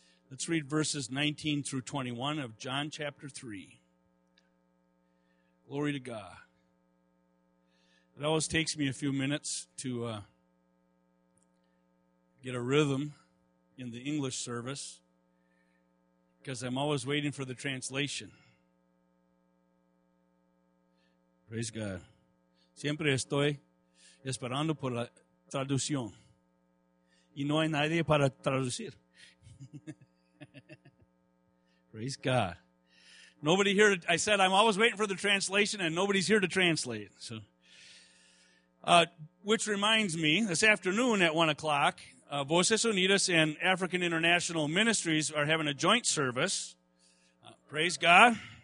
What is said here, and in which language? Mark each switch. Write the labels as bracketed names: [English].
[English] Let's read verses 19 through 21 of John chapter 3. Glory to God. It always takes me a few minutes to get a rhythm in the English service because I'm always waiting for the translation. Praise God. [Spanish] Siempre estoy esperando por la traducción. Y no hay nadie para traducir. [English] Praise God. Nobody here. I said I'm always waiting for the translation and nobody's here to translate. So, which reminds me, this afternoon at 1 o'clock, Voces Unidas and African International Ministries are having a joint service. Praise God.